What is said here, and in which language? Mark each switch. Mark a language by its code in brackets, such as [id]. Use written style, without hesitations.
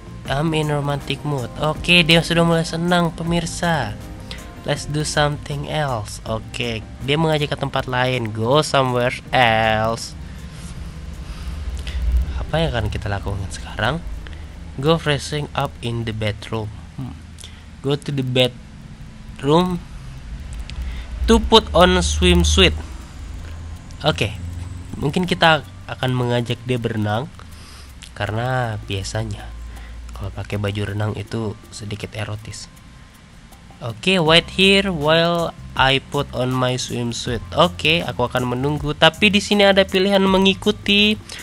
[en] I'm in romantic mood. [id] Oke, dia sudah mulai senang, pemirsa. [en] Let's do something else. [id] Oke, dia mengajak ke tempat lain. [en] Go somewhere else. [id] Apa yang akan kita lakukan sekarang? [en] Go freshing up in the bedroom. Go to the bedroom to put on swimsuit. [id] Oke, mungkin kita akan mengajak dia berenang. Karena biasanya kalau pakai baju renang itu sedikit erotis. [en] Oke, wait here while I put on my swimsuit. [id] Oke, aku akan menunggu. Tapi di sini ada pilihan mengikuti.